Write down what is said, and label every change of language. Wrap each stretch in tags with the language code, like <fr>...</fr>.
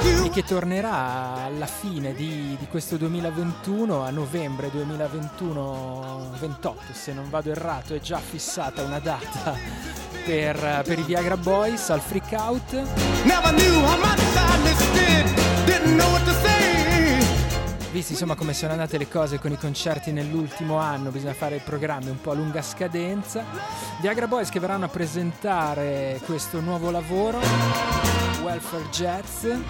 <it>che tornerà alla fine di questo 2021, a novembre 2021-28, se non vado errato, è già fissata una data per i Viagra Boys al Freak Out.</it> <en>Never knew how much I missed it, didn't know what to say.</en> <it>Visti insomma come sono andate le cose con i concerti nell'ultimo anno, bisogna fare il programma un po' a lunga scadenza. Viagra Boys che verranno a presentare questo nuovo lavoro, Welfare Jets.</it>